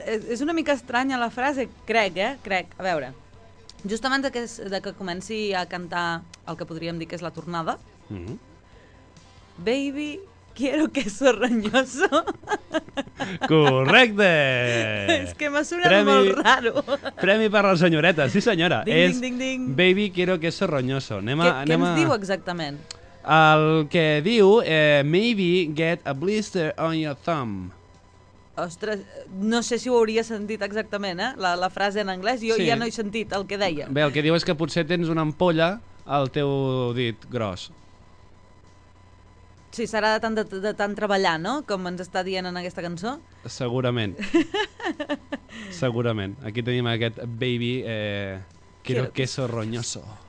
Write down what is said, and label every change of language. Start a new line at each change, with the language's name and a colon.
Catalan: És una mica estranya la frase, crec. A veure, just abans de que comenci a cantar el que podríem dir que és la tornada, mm-hmm.
Spanish: Baby, quiero queso roñoso.
Catalan: Correcte! És que m'ha sonat premi, molt raro. Premi per la senyoreta, sí senyora. Ding, és ding, ding, ding.
Spanish: Baby, quiero queso roñoso.
Catalan: Què ens diu exactament? El que diu,
English: maybe get a blister on your thumb.
Catalan: Ostres, no sé si ho hauria sentit exactament, la frase en anglès. Jo sí. Ja no he sentit el que deia. Bé, el que diu és que potser tens una ampolla al teu dit gros. Sí, serà de tant treballar, no? Com ens està dient en aquesta cançó. Segurament. Segurament. Aquí tenim aquest baby
Spanish: quiero queso roñoso.